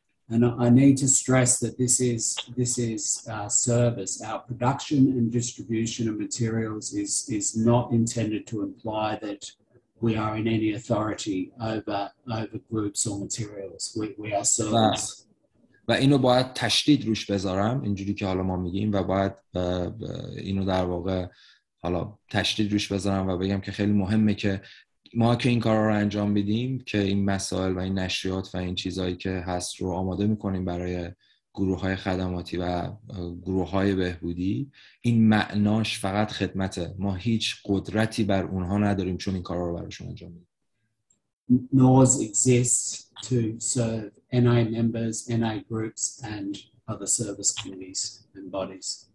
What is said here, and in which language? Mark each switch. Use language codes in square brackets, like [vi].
[en] And I need to stress that this is our service. Our production and distribution of materials is not intended to imply that we are in any authority over groups or materials. We are service. [fa] و اینو باید تشدید روش بذارم، اینجوری که حالا ما میگیم، و باید اینو در واقع حالا تشدید روش بذارم و بگم که خیلی مهمه که ما که این کار رو انجام بدیم که این مسائل و این نشریات و این چیزهایی که هست رو آماده میکنیم برای گروه های خدماتی و گروه های بهبودی، این معناش فقط خدمته. ما هیچ قدرتی بر اونها نداریم چون این کار رو براشون انجام میدیم. [en] NAWS exists to serve NA members, NA groups and other service communities and bodies.